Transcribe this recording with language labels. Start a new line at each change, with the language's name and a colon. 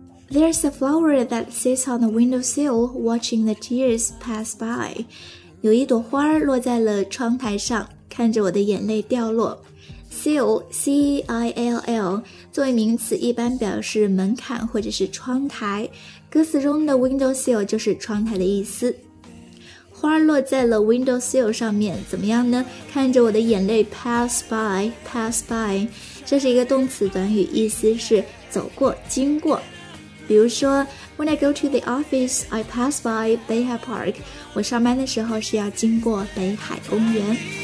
English: There's a flower that sits on the windowsill watching the tears pass by.
Chinese: 有一朵花落在了窗台上，看着我的眼泪掉落。 Sill, C-I-L-L, 作为名词一般表示门槛或者是窗台。歌词中的 windowsill 就是窗台的意思。花落在了 windowsill 上面，怎么样呢？看着我的眼泪
English: pass by, pass by.
Chinese: 这是一个动词短语，意思是走过，经过。比如说
English: When I go to the office, I pass by Beihai Park.
Chinese: 我上班的时候是要经过北海公园。